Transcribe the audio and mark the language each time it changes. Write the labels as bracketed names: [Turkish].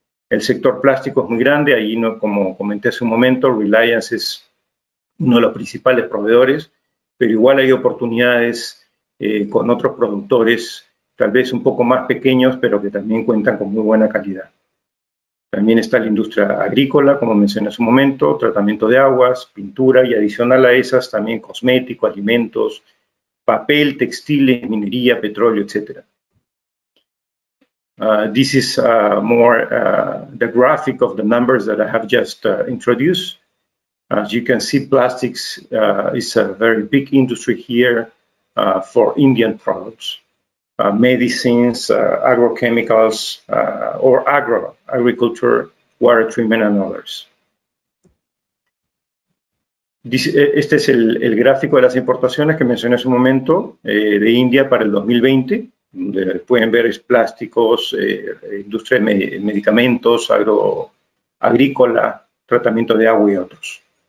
[Spanish] El sector plástico es muy grande, ahí, no, como comenté hace un momento, Reliance es uno de los principales proveedores, pero igual hay oportunidades con otros productores, tal vez un poco más pequeños, pero que también cuentan con muy buena calidad. También está la industria agrícola, como mencioné hace un momento, tratamiento de aguas, pintura, y adicional a esas también cosmético, alimentos, papel, textiles, minería, petróleo, etc. [English] This is more the graphic of the numbers that I have just introduced. As you can see, plastics is a very big industry here for Indian products. Medicines, agrochemicals, or agriculture, water treatment, and others. [Spanish] Este es el gráfico de las importaciones que mencioné hace un momento de India para el 2020, donde pueden ver es plásticos, industria de medicamentos, agrícola, tratamiento de agua y otros.